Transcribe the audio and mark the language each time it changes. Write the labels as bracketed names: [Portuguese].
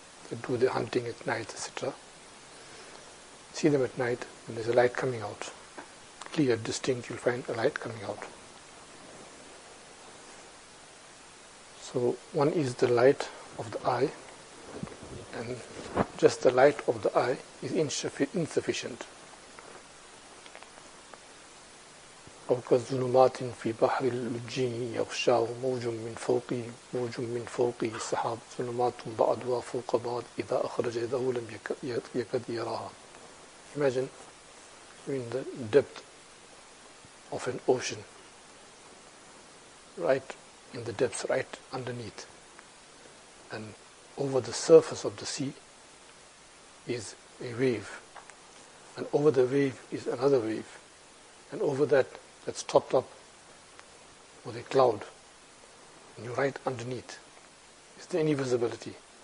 [English] They do the hunting at night, etc. See them at night, and there's a light coming out. Clear, distinct, you'll find a light coming out. So one is the light of the eye, and just the light of the eye is insufficient. [Arabic] أو كظلمات في بحر اللجين يغشاه موج من فوقه موج من فوقه سحاب ظلمات بعضها فوق بعض إذا أخرج يده لم يكد يراها. [English] Imagine in the depth of an ocean, right in the depths, right underneath, and over the surface of the sea is a wave, and over the wave is another wave, and over that, that's topped up with a cloud, and you're right underneath. Is there any visibility?